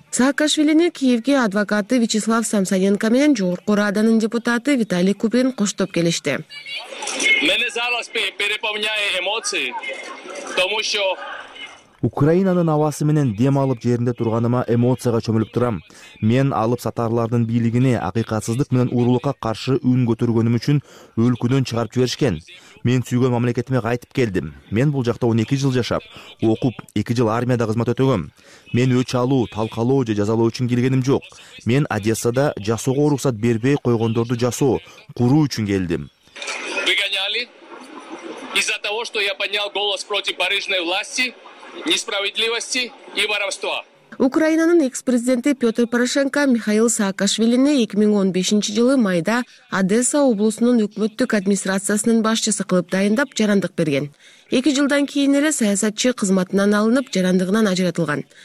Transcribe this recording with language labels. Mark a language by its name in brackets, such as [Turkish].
[Kyrgyz] Саакашвилини Киевге адвокаты Вячеслав Самсоненко менен Жогорку Раданын депутаты Виталий Куприн коштоп келишти. [Ukrainian] Мене зараз [Russian] переполняет эмоции, потому что [Kyrgyz] Украинанын абасы менен дем алып жеринде турганыма эмоцияга чөмүлүп турам. Мен алып сатарлардын бийлигине акыйкатсыздык менен уурулукка каршы үн көтөргөнүм үчүн өлкөдөн чыгарып жиберишкен. Мен сүйгөн мамлекетиме кайтып келдим. Мен бул жакта 12 жыл жашап, окуп, 2 жыл армияда кызмат өтөгөм. Мен өч алуу, талкалоо же жазалоо үчүн келгеним жок. Мен Одессада жасоого уруксат бербей койгондорду жасоо, куруу үчүн келдим. [Russian] Выгоняли из-за того, что я поднял голос против барыжной власти. Несправедливости и воровства. [Kyrgyz] Украинанын экс-президенти Петр Порошенко Михаил Саакашвилини 2015 жылы майда Одесса облусунун өкмөттүк администрациясынын башчысы кылып дайындап жарандык берген. Эки жылдан кийин эле саясатчы кызматынан алынып жарандыгынан ажыратылган.